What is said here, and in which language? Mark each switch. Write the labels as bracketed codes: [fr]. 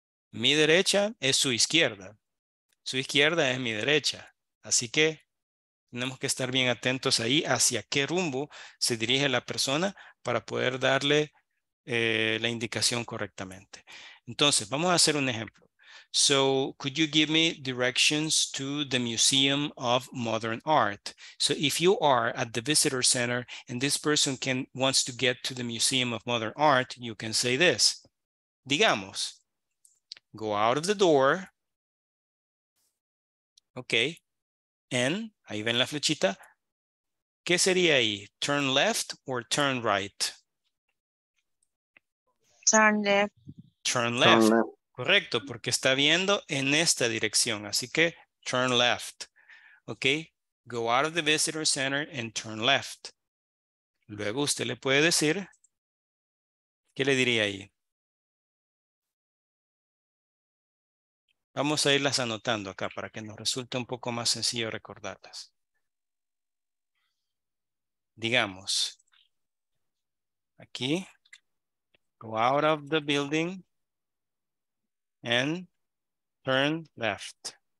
[es] Mi derecha es su izquierda. Su izquierda es mi derecha. Así que tenemos que estar bien atentos ahí hacia qué rumbo se dirige la persona para poder darle la indicación correctamente. Entonces, vamos a hacer un ejemplo. [en] So, could you give me directions to the Museum of Modern Art? So, if you are at the visitor center and this person wants to get to the Museum of Modern Art, you can say this. [es] Digamos, [en] go out of the door. [es] Okay. And, ahí ven la flechita. ¿Qué sería ahí? [en] Turn left or turn right? Turn left. Turn left. Turn left. [es] Correcto, porque está viendo en esta dirección. Así que, [en] turn left. Okay. Go out of the visitor center and turn left. [es] Luego usted le puede decir, ¿qué le diría ahí? Vamos a irlas anotando acá para que nos resulte un poco más sencillo recordarlas. Digamos, aquí, [en] go out of the building and turn left.